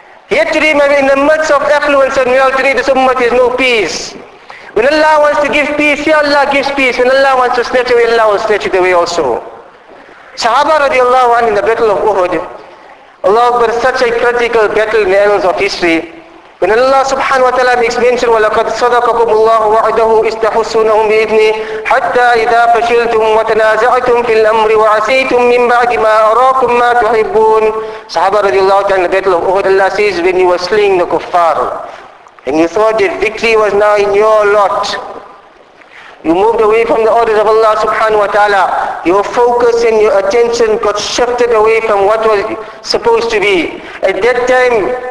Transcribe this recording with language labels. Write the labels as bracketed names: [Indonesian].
[English] Yet today, maybe in the midst of affluence and wealth, today this ummah has no peace. When Allah wants to give peace, here Allah gives peace. When Allah wants to snatch away, Allah will snatch it away also. Sahaba radiallahu anhu in the battle of Uhud, Allah Akbar, such a critical battle in the annals of history. When Allah subhanahu wa ta'ala makes mention, [Arabic] وَلَقَدْ صَدَقَكُمُ اللَّهُ وَعْدَهُ إِسْتَحُسُّونَهُمْ بِإِذْنِهِ حَتَّى إِذَا فَشِلْتُمْ وَتَنَازَعْتُمْ فِي الْأَمْرِ وَعَسَيْتُمْ مِنْ بَعْدِ مَا أَرَاكُمْ مَا تُحِبُّونَ. [English] Sahaba radiallahu anhu in the battle of Uhud, Allah says, when you were slaying the kuffar, and you thought that victory was now in your lot, you moved away from the orders of Allah subhanahu wa ta'ala. Your focus and your attention got shifted away from what was supposed to be. At that time,